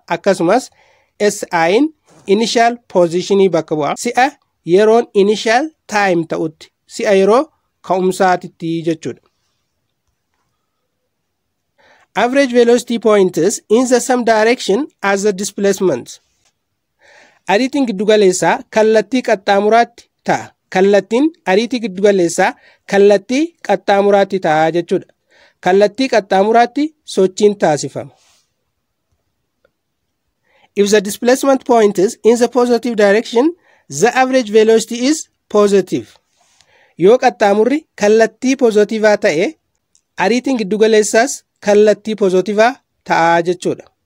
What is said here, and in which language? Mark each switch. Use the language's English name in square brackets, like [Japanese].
[Oromo] Akkasumas SI'n initial position bakka bu'a. Si'a yeroon initial time ta'utti. Si'a yeroo ka'umsaatitti jechuudha. [English] Average velocity point is in the same direction as the displacement. [Oromo] Ariitiin giddugaleessaa kallattii qaxxaamuraatti ta'a. Kallattii qaxxaamuraatti sochiin taasifama. [English] If the displacement point is in the positive direction, the average velocity is positive. [Oromo] Yoo qaxxaamurri kallattii pozitiva ta'e, ariitiin giddugaleessaas kallattii pozitiva ta'a jechuudha.